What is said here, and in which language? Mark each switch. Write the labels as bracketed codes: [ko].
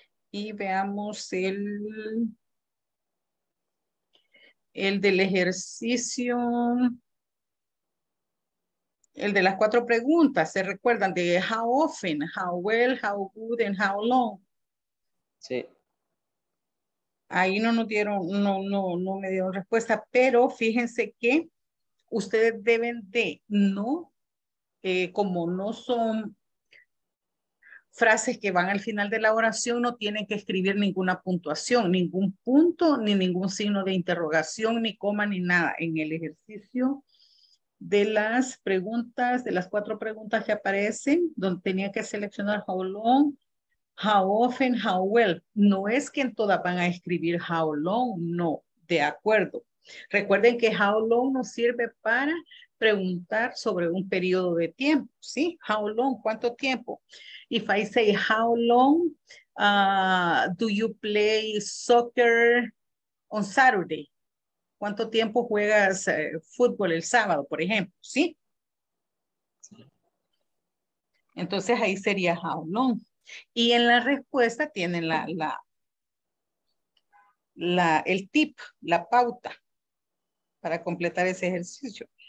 [es] Y veamos el del ejercicio, el de las 4 preguntas, ¿se recuerdan? [en] De how often, how well, how good, and how long. [es] Sí. Ahí no nos dieron, no me dieron respuesta, pero fíjense que ustedes deben de, no, como no son... frases que van al final de la oración, no tienen que escribir ninguna puntuación, ningún punto, ni ningún signo de interrogación, ni coma, ni nada. En el ejercicio de las preguntas, de las 4 preguntas que aparecen, donde tenía que seleccionar how long, how often, how well. No es que en todas van a escribir how long, no, de acuerdo. Recuerden que how long nos sirve para preguntar sobre un periodo de tiempo, ¿sí? How long, ¿cuánto tiempo? [en] If I say, how long do you play soccer on Saturday? [es] ¿Cuánto tiempo juegas fútbol el sábado, por ejemplo? ¿Sí? Entonces ahí sería how long. Y en la respuesta tienen la el tip, la pauta para completar ese ejercicio.